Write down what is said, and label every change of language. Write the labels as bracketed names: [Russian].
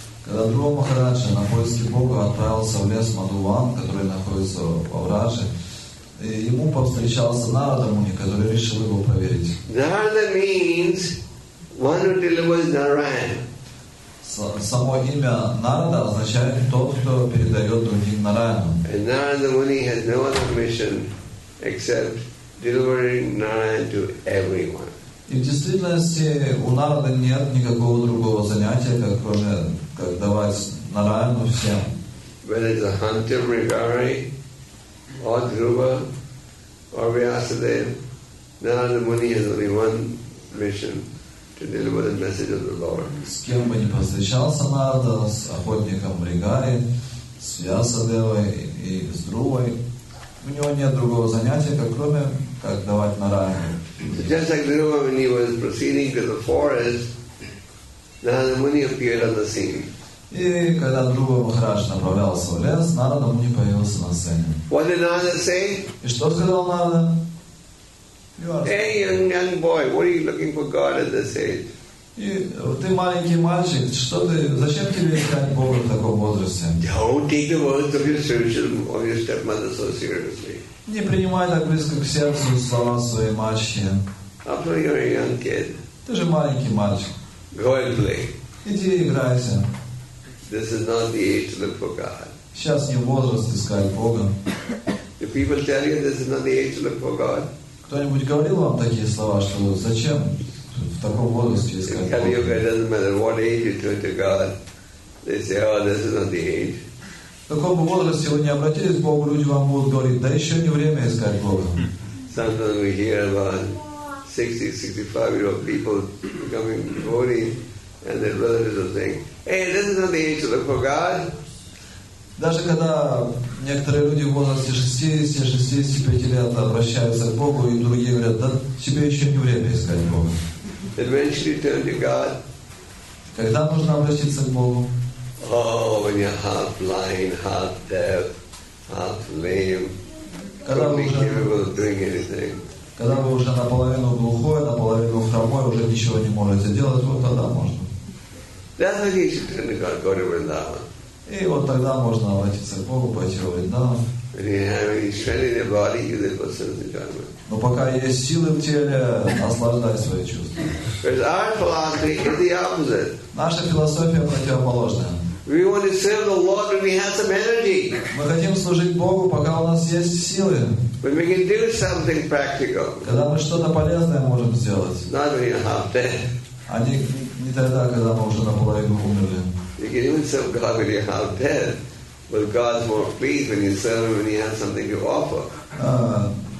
[Russian] Когда Друва Махараджа на поиски Бога отправился в лес Мадхуван, который находится во Враже, ему повстречался Нарада Муни, который решил его проверить. [English] Narada means one who delivers Narayan. [Russian] Само имя Нарада означает тот, кто передает другим Нараяну. [English] And Narada Muni has no other mission except delivering Narayan to everyone. [Russian] И в действительности у Нарада нет никакого другого занятия, как кроме как давать Нараяну всем. [English] Whether it's a hunter, Ригари, or Dhruva, or Vyasadev, Narada Muni has only one mission, to deliver the message of the Lord. [Russian] С кем бы ни посвящался Нарада, с охотником Ригари, с Вьясадевой и с Друвой, у него нет другого занятия, как кроме как давать Нараяну. [English] So just like Dhruva, when he was proceeding to the forest, Narada Muni appeared on the scene. [Russian] И когда Друва Махарадж направлялся в лес, Нарада Муни появился на сцене. [English] What did Narada say? [Russian] И что сказал Нарада? [English] Hey, young boy, what are you looking for God at this age? [Russian] И ты маленький мальчик, что ты, зачем тебе искать Бога в таком возрасте? [English] Don't take the words of your spiritual, of your stepmother so seriously. [Russian] Не принимай так близко к сердцу слова своей мачехи. [English] After you're a young kid. [Russian] Ты же маленький мальчик. [English] Go and play. [Russian] Иди играйся. [English] This is not the age to look for God. [Russian] Сейчас не возраст искать Бога. [English] Do people tell you this is not the age to look for God? [Russian] Кто-нибудь говорил вам такие слова, что зачем в таком возрасте искать Бога? [English] Tell you it doesn't matter what age you turn to God. They say, oh, this is not the age. [Russian] В каком бы возрасте вы не обратились к Богу, люди вам будут говорить, да еще не время искать Бога. [English] Sometimes we hear about 60-65-year-old people becoming devoted, and their relatives are saying, hey, this is not the age to look for God. [Russian] Даже когда некоторые люди в возрасте 60-65 лет обращаются к Богу, и другие говорят, да тебе еще не время искать Бога. [English] Eventually turn to God. [Russian] Когда нужно обратиться к Богу? [English] Oh, when you're half blind, half deaf, half lame, totally incapable of doing anything. [Russian] Когда вы уже наполовину глухой, наполовину хромой, уже ничего не можете делать, вот тогда можно. [English] That's when you should turn to God, go to Vrindavan. [Russian] И вот тогда можно обратиться к Богу, пойти в Вриндаван. [English] When you have any strength in your body, you live for sense enjoyment. [Russian] Но пока есть силы в теле, наслаждай свои чувства. [English] Because our philosophy is the opposite. [Russian] Наша философия противоположная. [English] We want to serve the Lord when we have some energy. [Russian] Мы хотим служить Богу, пока у нас есть силы. [English] When we can do something practical. [Russian] Когда мы что-то полезное можем сделать. [English] Not when you're half dead. [Russian] А не тогда, когда мы уже наполовину умерли. [English] You can even serve God when you're half dead. But God's more pleased when you serve Him when you have something to offer.